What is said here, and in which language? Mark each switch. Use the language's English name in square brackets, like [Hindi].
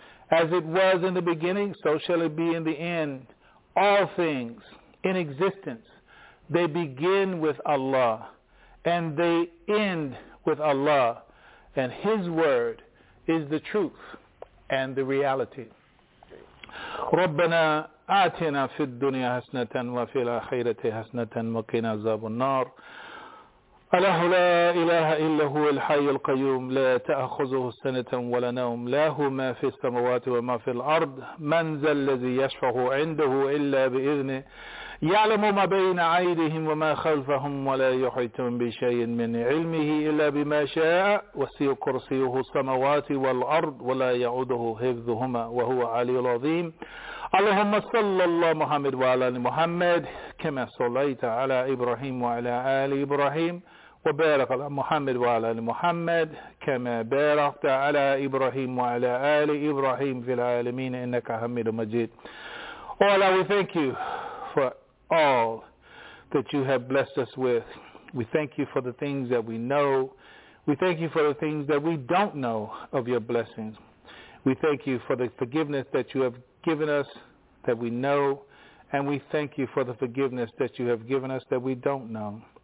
[English] As it was in the beginning, so shall it be in the end. All things in existence, they begin with Allah, and they end with Allah, and His word is the truth and the reality. [Arabic] ربنا آتنا في الدنيا حسنة وفي الآخرة حسنة وقنا عذاب النار. الله لا إله إلا هو الحي القيوم لا تأخذه سنة ولا نوم له ما في السماوات وما في الأرض من ذا الذي يشفع عنده إلا بإذنه يعلم ما بين أيديهم وما خلفهم ولا يحيطون بشيء من علمه إلا بما شاء وسع كرسيه السماوات والأرض ولا يعوده حفظهما وهو العلي العظيم اللهم صل على محمد وعلى محمد كما صليت على إبراهيم وعلى آل إبراهيم وبارك على محمد وعلى محمد كما باركت على إبراهيم وعلى آل إبراهيم في العالمين إنك حميد مجيد. [English] Oh Allah, we thank you for all that you have blessed us with. We thank you for the things that we know. We thank you for the things that we don't know of your blessings. We thank you for the forgiveness that you have given us that we know, and we thank you for the forgiveness that you have given us that we don't know.